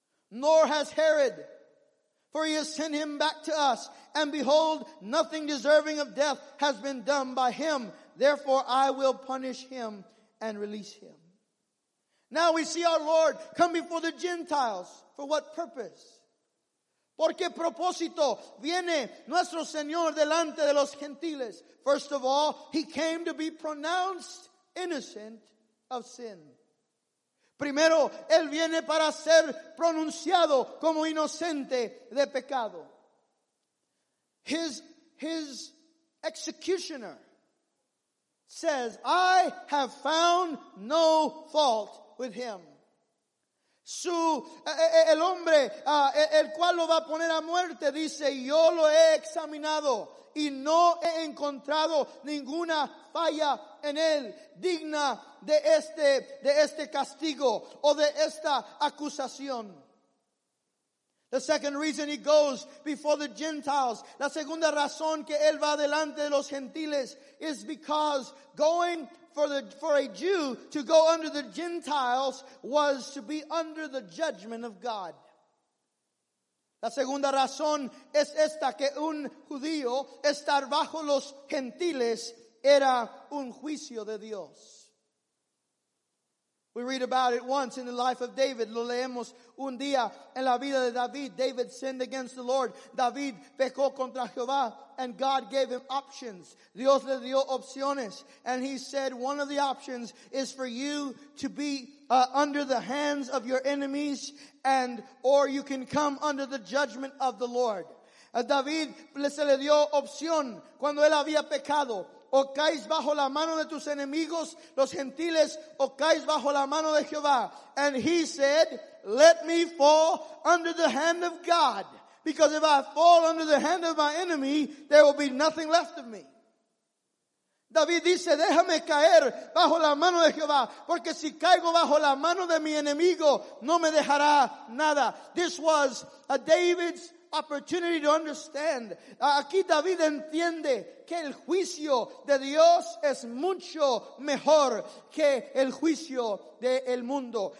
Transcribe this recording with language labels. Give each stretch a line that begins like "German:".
English: Nor has Herod, for he has sent him back to us. And behold, nothing deserving of death has been done by him. Therefore, I will punish him and release him." Now we see our Lord come before the Gentiles. For what purpose?
Spanish: ¿Por qué propósito viene nuestro Señor delante de los gentiles?
English: First of all, he came to be pronounced innocent of sin.
Spanish: Primero, él viene para ser pronunciado como inocente de pecado.
English: His executioner says, "I have found no fault with him."
Spanish: Su el hombre el cual lo va a poner a muerte dice, "Yo lo he examinado y no he encontrado ninguna falla en él digna de este castigo o de esta acusación."
English: The second reason he goes before the Gentiles,
Spanish: la segunda razón que él va delante de los gentiles,
English: is because going for a Jew to go under the Gentiles was to be under the judgment of God.
Spanish: La segunda razón es esta, que un judío estar bajo los gentiles era un juicio de Dios.
English: We read about it once in the life of David.
Spanish: Lo leemos un día en la vida de David.
English: David sinned against the Lord.
Spanish: David pecó contra Jehová,
English: and God gave him options.
Spanish: Dios le dio opciones.
English: And he said, one of the options is for you to be under the hands of your enemies, and or you can come under the judgment of the Lord.
Spanish: A David se le dio opción cuando él había pecado. O caes bajo la mano de tus enemigos, los gentiles, o caes bajo la mano de Jehová.
English: And he said, "Let me fall under the hand of God. Because if I fall under the hand of my enemy, there will be nothing left of me."
Spanish: David dice, "Déjame caer bajo la mano de Jehová, porque si caigo bajo la mano de mi enemigo, no me dejará nada."
English: This was a David's opportunity to understand.
Spanish: Aquí David entiende que el juicio de Dios es mucho mejor que el juicio del mundo.